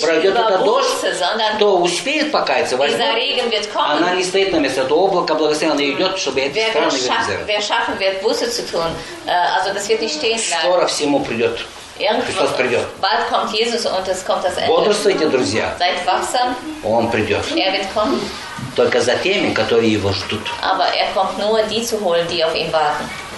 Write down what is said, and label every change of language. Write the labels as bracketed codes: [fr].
[ru] пройдет этот дождь, кто успеет покаяться, возьмет, она не стоит на месте, это облако благословенное идет, чтобы эти страны вернулись. [de] Wird Buße zu tun, also das wird nicht stehen bleiben. [ru] Скоро всему придет. Христос придет. [de] Bald kommt Jesus und es kommt das Ende. [ru] Бодрствуйте, друзья. [de] Seid wachsam. [ru] Он придет. [de] Er wird kommen. [ru] Только за теми, которые его ждут. [de] Aber er kommt nur die zu holen, die auf ihn warten.